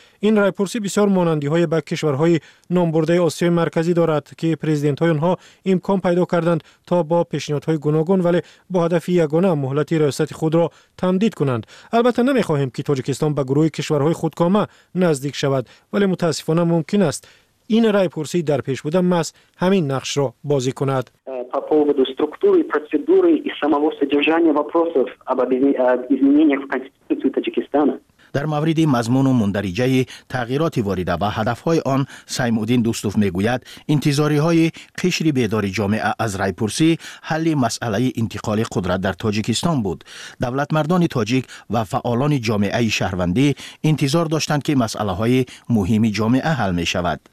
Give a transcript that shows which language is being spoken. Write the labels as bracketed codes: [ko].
[fa] این رای پرسی بسیار مانندی های به کشورهای نامبرده آسیای مرکزی دارد که پرزیدنت های آنها امکان پیدا کردند تا با پیشنهادهای گوناگون ولی با هدف یگانه مهلت ریاست خود را تمدید کنند. البته نمیخواهیم که تاجیکستان به گروه کشورهای خودکامه نزدیک شود، ولی متاسفانه ممکن است این رای پرسی در پیش بوده ماست همین نقش را بازی کند. [ru] По поводу структуры, процедуры и самого содержания вопросов об изменениях в Конституции Таджикистана. [fa] در مورد مضمون و مندرجه تغییرات وارده و هدفهای آن سیمودین دوستوف میگوید انتظاری های قشر بیدار جامعه از رای پرسی حل مسئله انتقال قدرت در تاجیکستان بود. دولت مردان تاجیک و فعالان جامعه شهروندی انتظار داشتند که مسئله های مهم جامعه حل می شود.